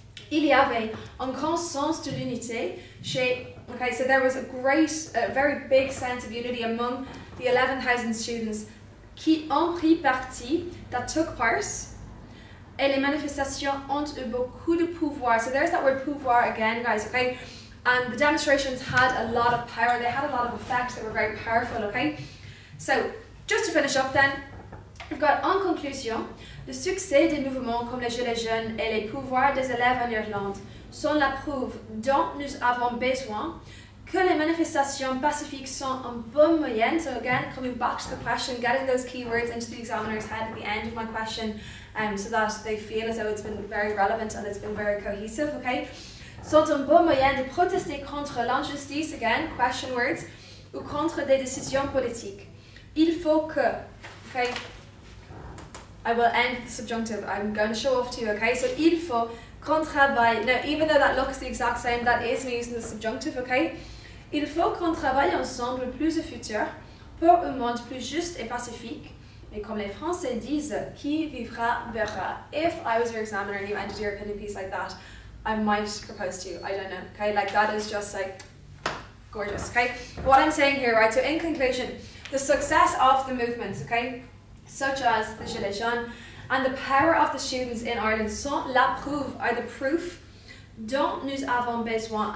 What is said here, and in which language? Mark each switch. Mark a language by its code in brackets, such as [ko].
[fr] Il y avait un grand sens de l'unité chez, [en] okay, so there was a great, a very big sense of unity among the 11,000 students qui ont pris parti, that took part, [fr] et les manifestations ont eu beaucoup de pouvoir. [en] So there's that word pouvoir again, guys, okay? And the demonstrations had a lot of power, they had a lot of effect, they were very powerful, okay? So, just to finish up then, we've got, [fr] en conclusion, le succès des mouvements comme les Gilets Jaunes et les pouvoirs des élèves en Irlande sont la preuve dont nous avons besoin que les manifestations pacifiques sont en bonne moyenne. [en] So again, coming back to the question, getting those keywords into the examiner's head at the end of my question, so that they feel as though it's been very relevant and it's been very cohesive, okay? [fr] Sont en bonne moyenne de protester contre l'injustice, [en] again, question words, [fr] ou contre des décisions politiques. Il faut que, [en] okay, I will end the subjunctive, I'm going to show off to you, okay? So [fr] il faut qu'on travaille, [en] now even though that looks the exact same, that is me using the subjunctive, okay? [fr] Il faut qu'on travaille ensemble plus au futur pour un monde plus juste et pacifique. Mais comme les Français disent, qui vivra verra. [en] If I was your examiner and you ended your opinion piece like that, I might propose to you, I don't know, okay? Like that is just like gorgeous, okay? What I'm saying here, right, so in conclusion, the success of the movements, okay, such as the Gilets Jaunes, and the power of the students in Ireland [fr] sont la preuve, [en] are the proof [fr] dont nous avons besoin.